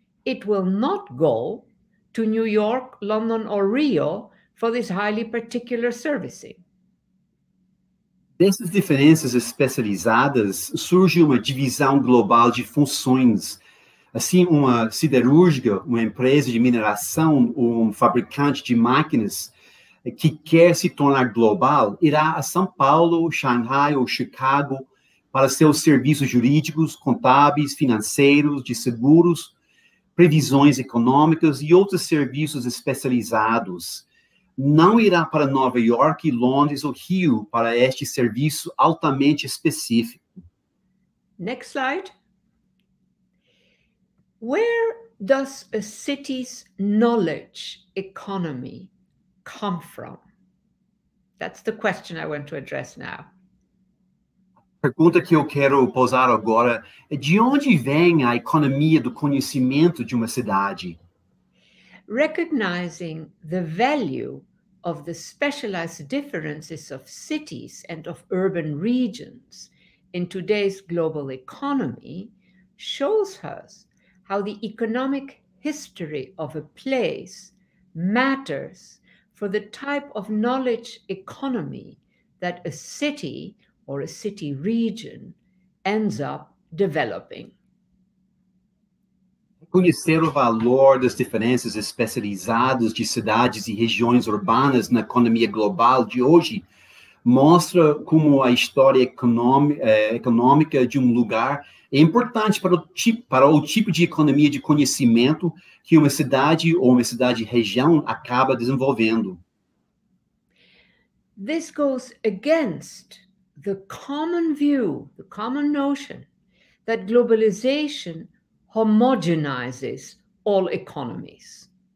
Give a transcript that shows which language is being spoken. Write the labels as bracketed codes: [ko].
[en] It will not go to New York, London, or Rio for this highly particular servicing. [pt] Dessas diferenças especializadas, surge uma divisão global de funções. assim, uma siderúrgica, uma empresa de mineração, um fabricante de máquinas que quer se tornar global, irá a São Paulo, Shanghai ou Chicago para seus serviços jurídicos, contábeis, financeiros, de seguros, previsões econômicas e outros serviços especializados. Não irá para Nova York, Londres ou Rio para este serviço altamente específico. [en] Next slide. Where does a city's knowledge economy come from? That's the question I want to address now. [pt] Pergunta que eu quero posar agora é: de onde vem a economia do conhecimento de uma cidade? [en] Recognizing the value of the specialized differences of cities and of urban regions in today's global economy shows us how the economic history of a place matters for the type of knowledge economy that a city or a city region ends up developing. [pt] Conhecer o valor das diferenças especializadas de cidades e regiões urbanas na economia global de hoje mostra como a história econômica de um lugar é importante para o tipo de economia de conhecimento que uma cidade ou uma cidade-região acaba desenvolvendo. [en] This goes against the common view, the common notion, that globalization homogenizes all economies.